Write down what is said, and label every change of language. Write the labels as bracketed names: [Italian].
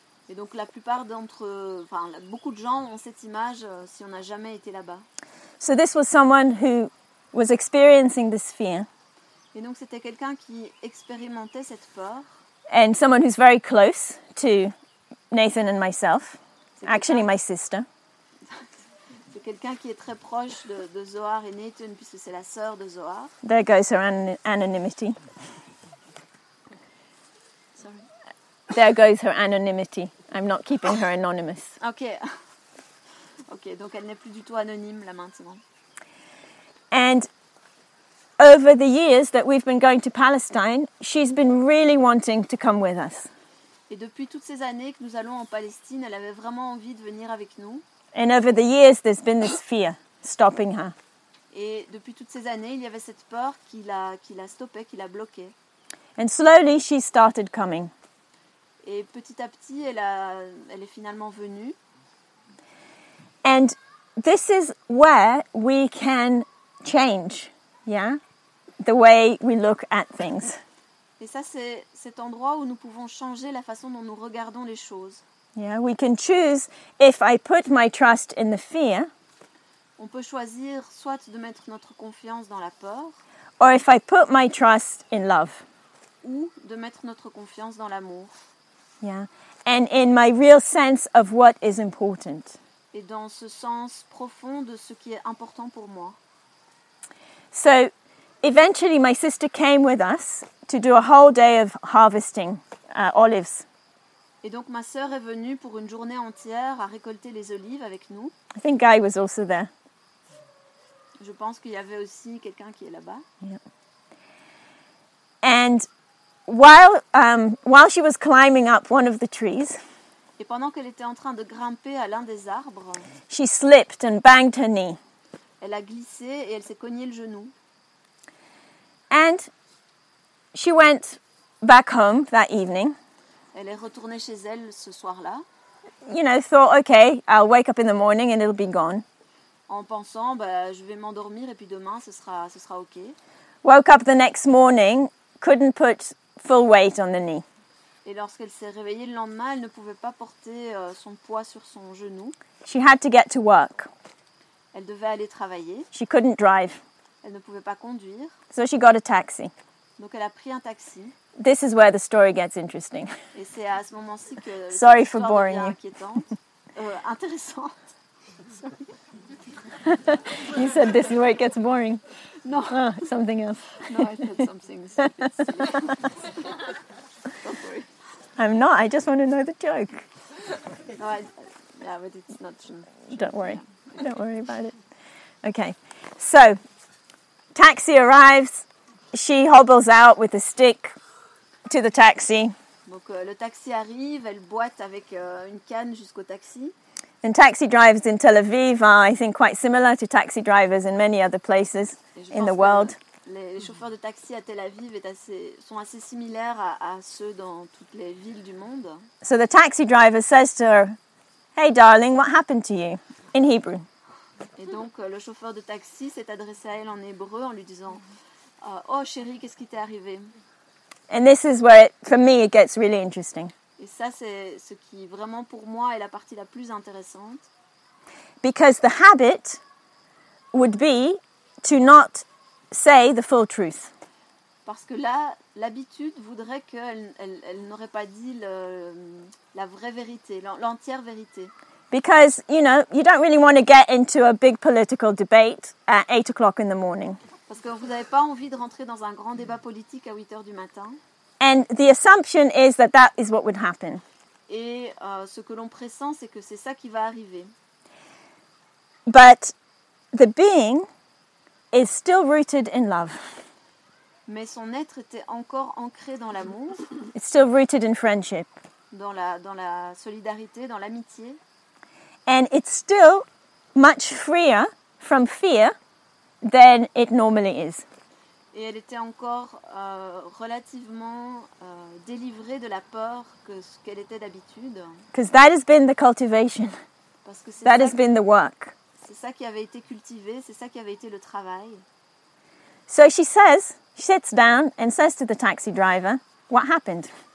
[French] Et donc la plupart d'entre, enfin beaucoup de gens ont cette image si on n'a jamais été là-bas. [English] So this was someone who was experiencing this fear. [French] Et donc c'était quelqu'un qui expérimentait cette peur. [English] And someone who's very close to Nathan and myself, actually my sister. [French] C'est quelqu'un qui est très proche de Zohar et Nathan puisque c'est la sœur de Zohar. [English] There goes her anonymity. There goes her anonymity. I'm not keeping her anonymous. Okay. [French] Donc elle n'est plus du tout anonyme là maintenant. [English] And over the years that we've been going to Palestine, she's been really wanting to come with us. [French] Et depuis toutes ces années que nous allons en Palestine, elle avait vraiment envie de venir avec nous. [English] And over the years, there's been this fear stopping her. [French] Et depuis toutes ces années, il y avait cette peur qui l'a stoppée, qui l'a bloquée. [English] And slowly, she started coming. [French] Et petit à petit, elle est finalement venue. [English] And this is where we can change, yeah, the way we look at things. [French] Et ça, c'est cet endroit où nous pouvons changer la façon dont nous regardons les choses. [English] Yeah, we can choose if I put my trust in the fear. [French] On peut choisir soit de mettre notre confiance dans la peur. [English] Or if I put my trust in love. [French] Ou de mettre notre confiance dans l'amour. [English] Yeah, and in my real sense of what is important. [French] Et dans ce sens profond de ce qui est important pour moi. [English] So, eventually my sister came with us to do a whole day of harvesting olives. [French] Et donc ma sœur est venue pour une journée entière à récolter les olives avec nous. [English] I think Guy was also there. [French] Je pense qu'il y avait aussi quelqu'un qui est là-bas. [English] Yeah. And While she was climbing up one of the trees, [French] et pendant qu'elle était en train de grimper à l'un des arbres, [English] she slipped and banged her knee. [French] Elle a glissé et elle s'est cogné le genou. [English] And she went back home that evening. [French] Elle est retournée chez elle ce soir-là. [English] You know, thought, okay, I'll wake up in the morning and it'll be gone. [French] En pensant, bah, je vais m'endormir et puis demain ce sera okay. [English] Woke up the next morning, couldn't put full weight on the knee. [French] Et lorsqu'elle s'est réveillée le lendemain, elle ne pouvait pas porter son poids sur son genou. [English] She had to get to work. [French] Elle devait aller travailler. [English] She couldn't drive. [French] Elle ne pouvait pas conduire. [English] So she got a taxi. [French] Donc elle a pris un taxi. [English] This is where the story gets interesting. [French] Et c'est à ce moment-ci que [English] sorry for boring you. [French] Intéressante. [English] You said this is where it gets boring. No. Oh, something else. No, I said something. Don't worry. I'm not. I just want to know the joke. No, but it's not true. Don't worry. Yeah. Don't worry about it. Okay. So, taxi arrives. She hobbles out with a stick to the taxi. [French] Donc le taxi arrive, elle boite avec une canne jusqu'au taxi. [English] And taxi drivers in Tel Aviv are, I think, quite similar to taxi drivers in many other places in the world. [French] Les chauffeurs de taxi à Tel Aviv sont assez similaires à ceux dans toutes les villes du monde. [English] So the taxi driver says to her, "Hey darling, what happened to you?" in Hebrew. [French] Et donc le chauffeur de taxi s'est adressé à elle en hébreu en lui disant, "Oh chérie, qu'est-ce qui t'est arrivé?" [English] And this is where, for me, it gets really interesting. [French] Et ça, c'est ce qui vraiment pour moi est la partie la plus intéressante. [English] Because the habit would be to not say the full truth. [French] Parce que là, l'habitude voudrait qu'elle n'aurait pas dit la vraie vérité, l'entière vérité. [English] Because, you know, you don't really want to get into a big political debate at 8 o'clock in the morning. [French] Parce que vous n'avez pas envie de rentrer dans un grand débat politique à 8 heures du matin. [English] And the assumption is that that is what would happen. [French] Et ce que l'on pressent, c'est que c'est ça qui va arriver. [English] But the being is still rooted in love. [French] Mais son être était encore ancré dans l'amour. [English] It's still rooted in friendship. [French] Dans la solidarité, dans l'amitié. [English] And it's still much freer from fear than it normally is. [French] Et elle était encore relativement délivrée de la peur que ce qu'elle était d'habitude. [English] Because that has been the cultivation. [French] Parce que c'est [English] that has been the work. [French] C'est ça qui avait été cultivé, c'est ça qui avait été le travail. [English] So she says, she sits down and says to the taxi driver, what happened?